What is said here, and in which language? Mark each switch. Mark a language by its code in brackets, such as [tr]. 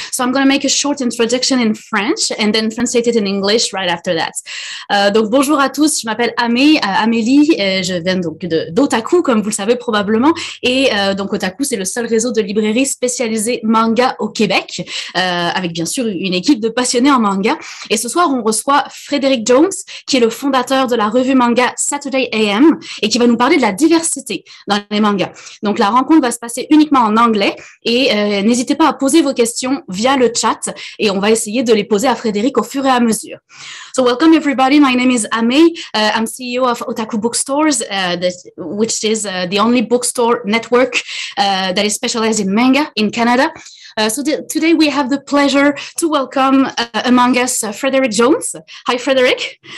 [en] So I'm going to make a short introduction in French and then translate it in English right after that. [fr] Donc bonjour à tous. Je m'appelle Amélie. Je viens donc d'O-Taku, comme vous le savez probablement. Et donc O-Taku, c'est le seul réseau de librairies spécialisées manga au Québec, avec bien sûr une équipe de passionnés en manga. Et ce soir, on reçoit Frederick Jones, qui est le fondateur de la revue manga Saturday AM et qui va nous parler de la diversité dans les mangas. Donc, la rencontre va se passer uniquement en anglais et n'hésitez pas à poser vos questions via le chat et on va essayer de les poser à Frédéric au fur et à mesure. [en] So, welcome everybody. My name is Amé. I'm CEO of O-Taku Bookstores, which is the only bookstore network that is specialized in manga in Canada. Today we have the pleasure to welcome among us Frederick Jones. Hi, Frederick.